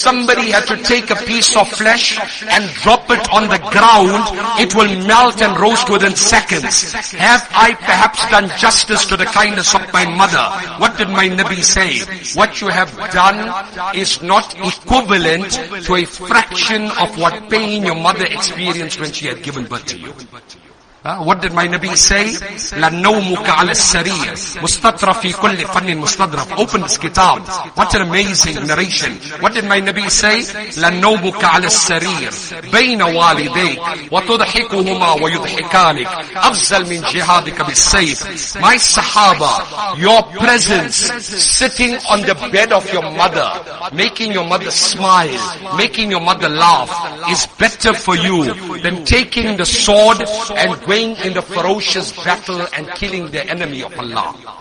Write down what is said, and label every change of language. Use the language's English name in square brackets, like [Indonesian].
[English] somebody had to take a piece of flesh and drop it on the ground, it will melt and roast within seconds. Have I perhaps done justice to the kindness of my mother? What did my Nabi say? What you have done is not equivalent to a fraction of what pain your mother experienced when she had given birth to you. What did my Nabi say? [Arabic] لَنَّوْمُكَ عَلَى السَّرِيرِ مُسْتَطْرَ فِي كُلِّ فَنِّ مُسْتَطْرَفِ [English] Open this kitab. What an amazing narration. What did my Nabi say? [Arabic] لَنَّوْمُكَ عَلَى السَّرِيرِ بَيْنَ وَالِدَيْكَ وَتُضْحِكُهُمَا وَيُضْحِكَانِكَ أَفْزَلْ مِنْ جِهَادِكَ بِالسَّيْفِ [English] My Sahaba, your presence sitting on the bed of your mother, making your mother smile, making your mother laugh, is better for you than taking the sword and going in the ferocious battle and killing the enemy of Allah.